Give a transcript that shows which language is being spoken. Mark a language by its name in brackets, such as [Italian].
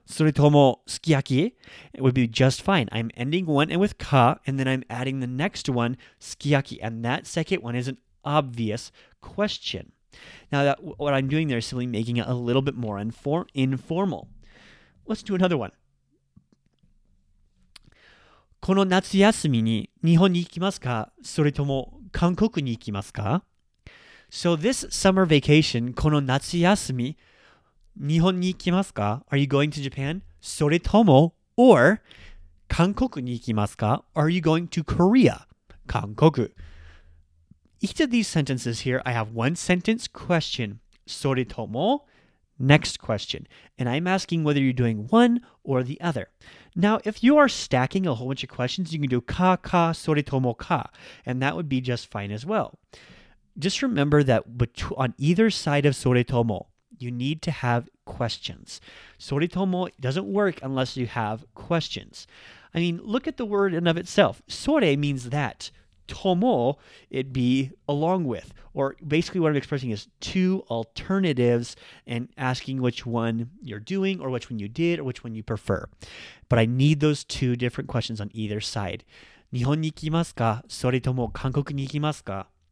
[Japanese] それともすき焼き? [English] It would be just fine. I'm ending one and with ka, and then I'm adding the next one, すき焼き, and that second one is an obvious question. Now, that what I'm doing there is simply making it a little bit more informal. Let's do another one. [Japanese] この夏休みに日本に行きますか?それとも韓国に行きますか? [English] So this summer vacation, [Japanese] この夏休み日本に行きますか? [English] Are you going to Japan? それとも? [Japanese] Or 韓国に行きますか? [English] Are you going to Korea? 韓国. Each of these sentences here, I have one sentence question. それとも?Next question. And I'm asking whether you're doing one or the other. Now, if you are stacking a whole bunch of questions, you can do ka, ka, soretomo, ka. And that would be just fine as well. Just remember that on either side of soretomo, you need to have questions. Soretomo doesn't work unless you have questions. I mean, look at the word in of itself. Sore means that. Tomo, it'd be along with. Or basically what I'm expressing is two alternatives and asking which one you're doing or which one you did or which one you prefer. But I need those two different questions on either side. [Japanese] 日本に行きますか? それとも韓国に行きますか?